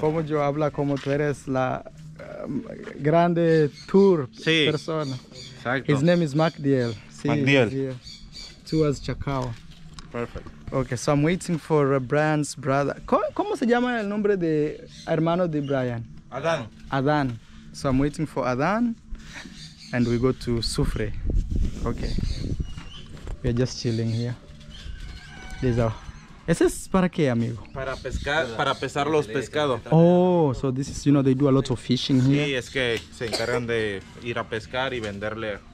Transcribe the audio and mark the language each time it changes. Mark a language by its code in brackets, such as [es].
[es] Como yo habla, como tú eres la grande tour sí. Persona. Exacto. [en] His name is MacDiel. [es] Sí, MacDiel. [en] Towards Chacao. Perfect. Okay, so I'm waiting for Brian's brother. [es] ¿Cómo se llama el nombre de hermano de Brian? Adán. Adán. [en] So I'm waiting for Adán and we go to aZufre. Okay. We are just chilling here. There's a... [es] ¿Ese es para qué, amigo? Para pescar, para pesar los pescados. [en] Oh, so this is, you know, they do a lot of fishing here. [es] Sí, es que se encargan de ir a pescar y venderle